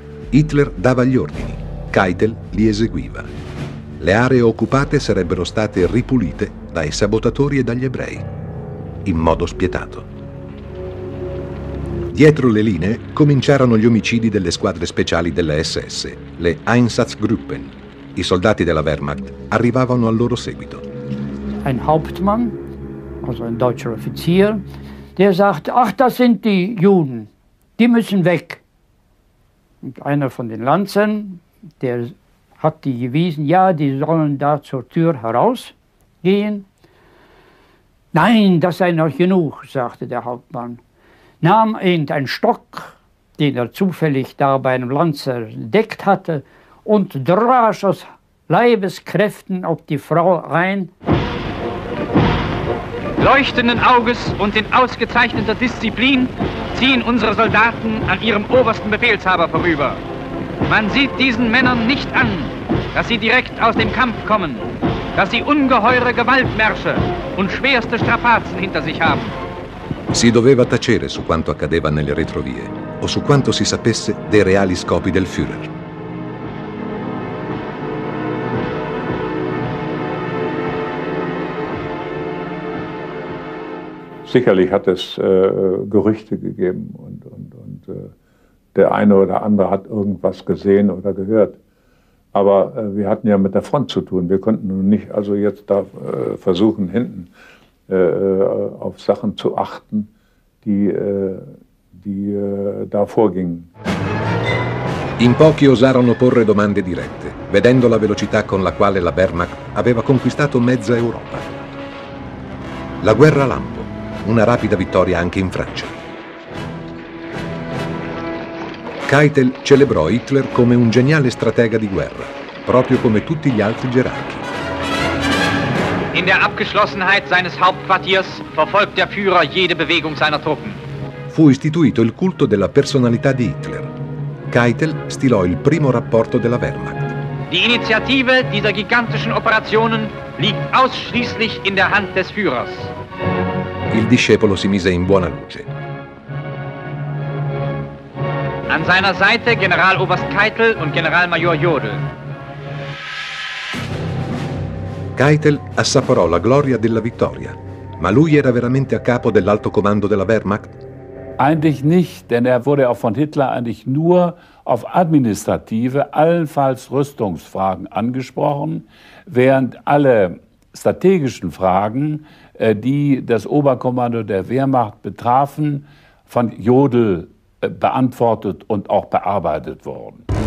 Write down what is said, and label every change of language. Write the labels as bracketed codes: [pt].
[it] Hitler dava gli ordini, Keitel li eseguiva. Le aree occupate sarebbero state ripulite dai sabotatori e dagli ebrei, in modo spietato. Dietro le linee cominciarono gli omicidi delle squadre speciali delle SS, le Einsatzgruppen. I soldati della Wehrmacht arrivavano al loro seguito. [de] Ein Hauptmann, also ein deutscher Offizier, der sagt, ach, das sind die Juden, die müssen weg. Und einer von den Lanzern, der hat die gewiesen, ja, die sollen da zur Tür herausgehen. Nein, das sei noch genug, sagte der Hauptmann. Nahm irgendein Stock, den er zufällig da bei einem Lanzer entdeckt hatte, und drasch aus Leibeskräften auf die Frau rein. Leuchtenden Auges und in ausgezeichneter Disziplin ziehen unsere Soldaten an ihrem obersten Befehlshaber vorüber. Man sieht diesen Männern nicht an, dass sie direkt aus dem Kampf kommen, dass sie ungeheure Gewaltmärsche und schwerste Strapazen hinter sich haben. [it] Si doveva tacere su quanto accadeva nelle retrovie o su quanto si sapesse dei reali scopi del Führer. [de] Sicherlich hat es Gerüchte gegeben und der eine oder andere hat irgendwas gesehen oder gehört. Aber wir hatten ja mit der Front zu tun. Wir konnten nun nicht also jetzt da versuchen, hinten auf Sachen zu achten, die die da vorgingen. [it] In pochi osarono porre domande dirette, vedendo la velocità con la quale la Wehrmacht aveva conquistato mezza Europa. La guerra lampo, una rapida vittoria anche in Francia. Keitel celebrò Hitler come un geniale stratega di guerra, proprio come tutti gli altri gerarchi. [de] In der Abgeschlossenheit seines Hauptquartiers verfolgt der Führer jede Bewegung seiner Truppen. [it] Fu istituito il culto della personalità di Hitler. Keitel stilò il primo rapporto della Wehrmacht. [de] Die Initiative dieser gigantischen Operationen liegt ausschließlich in der Hand des Führers. [it] Il discepolo si mise in buona luce. [de] An seiner Seite Generaloberst Keitel und Generalmajor Jodl. [it] Keitel assaporò la gloria della vittoria, ma lui era veramente a capo dell'alto comando della Wehrmacht? [de] Eigentlich nicht, denn wurde auch von Hitler eigentlich nur auf administrative, allenfalls Rüstungsfragen angesprochen, während alle strategischen Fragen, die das Oberkommando der Wehrmacht betrafen, von Jodl beantwortet und auch bearbeitet wurden.